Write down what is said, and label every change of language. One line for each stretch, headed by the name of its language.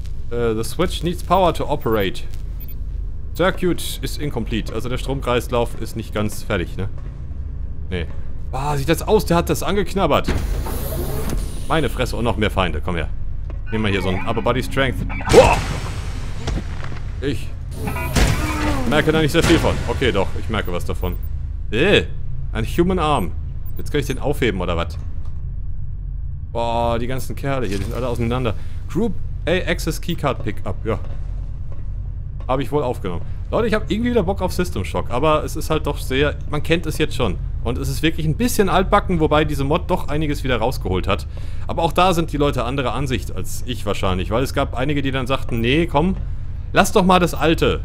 English: The switch needs power to operate. Circuit is incomplete.
German: Also der Stromkreislauf ist nicht ganz fertig, ne? Nee. Boah, sieht das aus? Der hat das angeknabbert. Meine Fresse und noch mehr Feinde. Komm her. Nehmen wir hier so ein Upper Body Strength. Boah! Ich merke da nicht sehr viel von. Okay, doch. Ich merke was davon. Ein Human Arm. Jetzt kann ich den aufheben, oder was? Boah, die ganzen Kerle hier, die sind alle auseinander.
English: Group A Access Keycard Pickup.
German: Ja. Habe ich wohl aufgenommen. Leute, ich habe irgendwie wieder Bock auf System Shock, aber es ist halt doch sehr... Man kennt es jetzt schon. Und es ist wirklich ein bisschen altbacken, wobei diese Mod doch einiges wieder rausgeholt hat. Aber auch da sind die Leute anderer Ansicht als ich wahrscheinlich, weil es gab einige, die dann sagten, nee, komm, lass doch mal das alte.